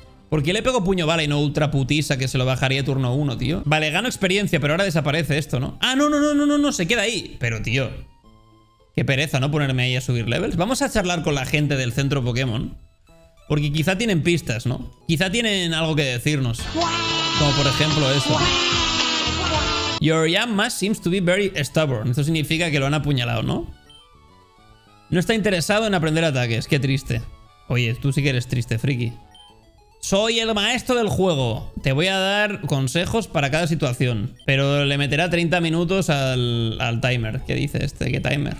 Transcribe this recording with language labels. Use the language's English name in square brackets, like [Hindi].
[Spanish] ¿Por qué le pego puño bala y no ultra putiza que se lo bajaría turno 1, tío? Vale, gano experiencia, pero ahora desaparece esto, ¿no? Ah, no, se queda ahí. Pero, tío, qué pereza, ¿no? Ponerme ahí a subir levels. Vamos a charlar con la gente del centro Pokémon. Porque quizá tienen pistas, ¿no? Quizá tienen algo que decirnos. Como por ejemplo esto. [English] Your Yamma seems to be very stubborn. [Spanish] Esto significa que lo han apuñalado, ¿no? No está interesado en aprender ataques. Qué triste. Oye, tú sí que eres triste, friki. Soy el maestro del juego. Te voy a dar consejos para cada situación. Pero le meterá 30 minutos al timer. ¿Qué dice este? ¿Qué timer?